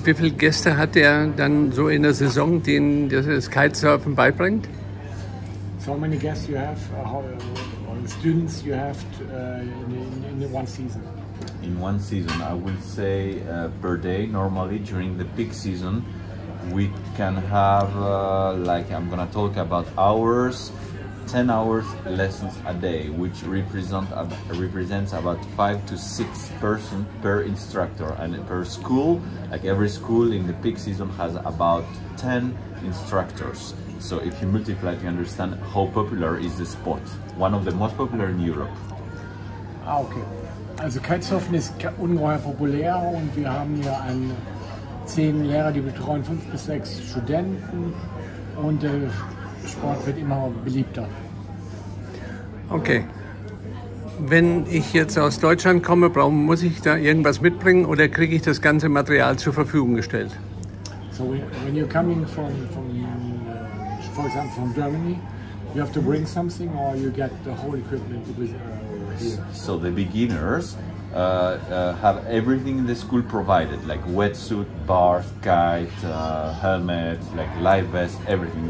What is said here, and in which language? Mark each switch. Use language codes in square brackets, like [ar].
[de] Wie viel Gäste hat der dann so in der Saison, den das Kitesurfen beibringt? [en] So many guests you have, students you have in one season? In one season, I would say per day. Normally during the peak season, we can have I'm gonna talk about hours, 10 hours lessons a day, which represents about 5 to 6 person per instructor and per school. Like every school in the peak season has about 10 instructors. So if you multiply, you understand how popular is the spot. One of the most popular in Europe. Ah, okay. [de] Also Kitesurfen ist ungeheuer populär und wir haben hier 10 Lehrer, die betreuen 5 bis 6 Studenten und der Sport wird immer beliebter. Okay. Wenn ich jetzt aus Deutschland komme, muss ich da irgendwas mitbringen oder kriege ich das ganze Material zur Verfügung gestellt? [en] So, when you're coming from Germany, you have to bring something or you get the whole equipment with So the beginners have everything in the school provided, like wetsuit, bars, kite, helmet, like life vest, everything.